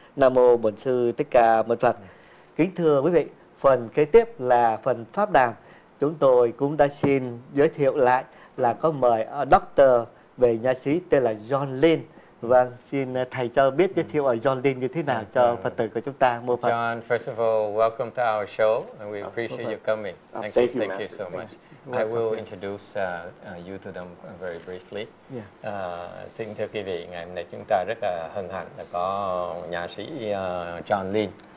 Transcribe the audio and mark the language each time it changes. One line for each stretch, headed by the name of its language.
Vietnamese: Nam Mô Bổn Sư Thích Ca Mâu Ni Phật. Kính thưa quý vị, phần kế tiếp là phần pháp đàm. Chúng tôi cũng đã xin giới thiệu lại là có mời doctor về nhà sĩ tên là John Lin. Vâng, xin thầy cho biết giới thiệu ở John Lin như thế nào cho Phật tử của chúng ta, mô Phật.
English: John, first of all, welcome to our show, and we appreciate you coming. Thank you so much. I will introduce you to them very briefly.
Vietnamese: Xin thưa quý vị, ngày hôm nay chúng ta rất là hân hạnh là có nhà sĩ John Lin.